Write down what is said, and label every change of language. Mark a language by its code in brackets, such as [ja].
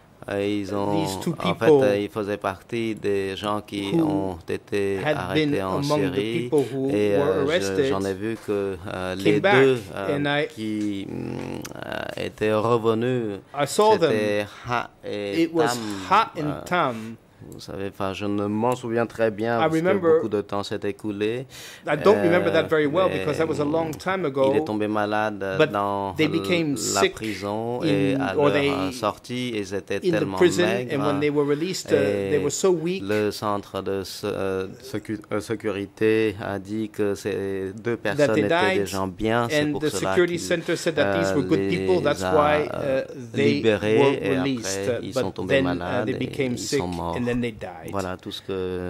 [fr] Ils faisaient partie des gens qui ont été arrêtés en Syrie. Et j'en ai vu que les deux qui étaient revenus, c'était Ha et Tam. vous savez, enfin, je ne m'en souviens très bien parce que beaucoup de temps s'est écoulé. [en] I don't remember that very well because that was a long time ago. [fr] Il est tombé malade dans la prison ils étaient tellement maigres. [en] And when they were released, they were so weak. [fr] Le centre de sécurité a dit que ces deux personnes étaient des gens bien, c'est pour cela qu'ils ont libérés, et après, ils sont tombés malades, ils sont morts. [en] And then they died. [fr] Voilà tout ce que